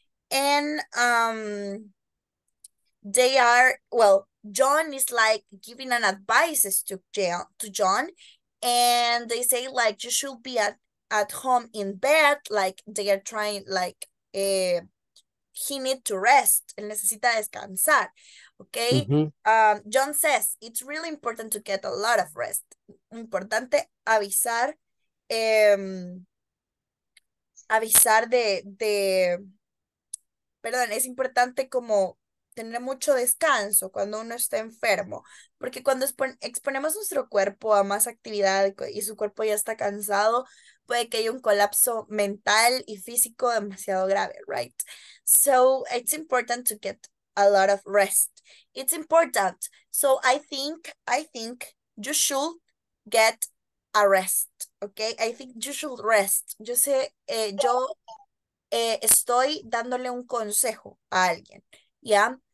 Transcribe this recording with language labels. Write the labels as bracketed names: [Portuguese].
[English] And they are, well, John is like giving an advice to John. And they say like, you should be at home in bed, like they are trying, like he need to rest, [Spanish] él necesita descansar, [English] okay? Mm-hmm. John says it's really important to get a lot of rest. [Spanish] Importante avisar, avisar de perdón, es importante como tener mucho descanso cuando uno está enfermo, porque cuando exponemos nuestro cuerpo a más actividad y su cuerpo ya está cansado, puede que haya un colapso mental y físico demasiado grave, right? [English] So it's important to get a lot of rest. It's important. So I think you should get a rest, okay? I think you should rest. [Spanish] Yo sé, estoy dándole un consejo a alguien, yeah?